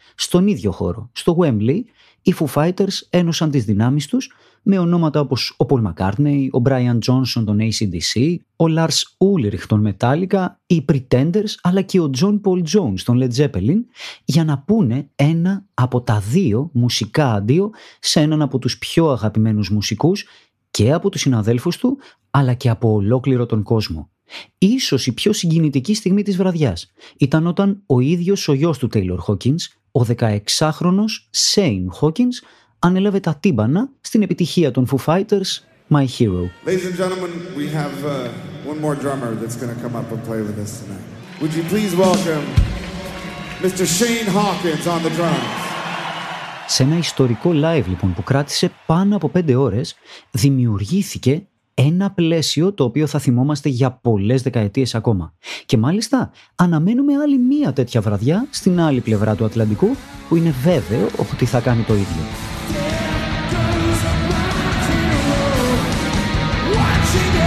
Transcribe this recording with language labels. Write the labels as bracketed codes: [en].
[el] Στον ίδιο χώρο, στο Wembley, οι Foo Fighters ένωσαν τις δυνάμεις τους με ονόματα όπως ο Paul McCartney, ο Brian Johnson των AC/DC, ο Lars Ulrich των Metallica, οι Pretenders αλλά και ο John Paul Jones των Led Zeppelin για να πούνε ένα από τα δύο μουσικά αντίο σε έναν από τους πιο αγαπημένους μουσικούς και από τους συναδέλφους του, αλλά και από ολόκληρο τον κόσμο. Ίσως η πιο συγκινητική στιγμή της βραδιάς ήταν όταν ο ίδιος ο γιος του Taylor Hawkins, ο 16χρονος Shane Hawkins, ανέλαβε τα τύμπανα στην επιτυχία των Foo Fighters, My Hero. [en] Ladies and gentlemen, we have one more drummer that's going to come up and play with us tonight. Would you please welcome Mr. Shane Hawkins on the drums. [el] Σε ένα ιστορικό live λοιπόν που κράτησε πάνω από 5 ώρες, δημιουργήθηκε ένα πλαίσιο το οποίο θα θυμόμαστε για πολλές δεκαετίες ακόμα. Και μάλιστα αναμένουμε άλλη μία τέτοια βραδιά στην άλλη πλευρά του Ατλαντικού που είναι βέβαιο ότι θα κάνει το ίδιο. Yeah,